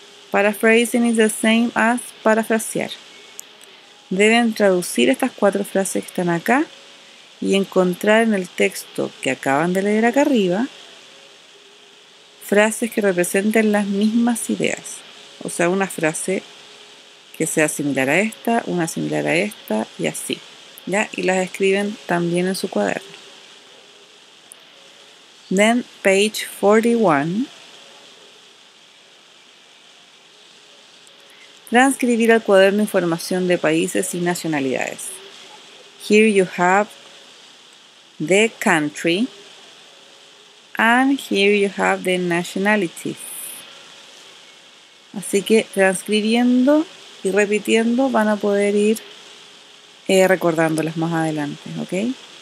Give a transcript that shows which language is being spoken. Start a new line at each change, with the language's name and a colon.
English: Paraphrasing is the same as parafrasear.
Spanish: Deben traducir estas 4 frases que están acá y encontrar en el texto que acaban de leer acá arriba frases que representen las mismas ideas. O sea, una frase que sea similar a esta, una similar a esta y así. ¿Ya? Y las escriben también en su cuaderno.
English: Then, page 41.
Spanish: Transcribir al cuaderno información de países y nacionalidades.
English: Here you have the country and here you have the nationalities.
Spanish: Así que transcribiendo y repitiendo van a poder ir recordándolas más adelante, ¿ok?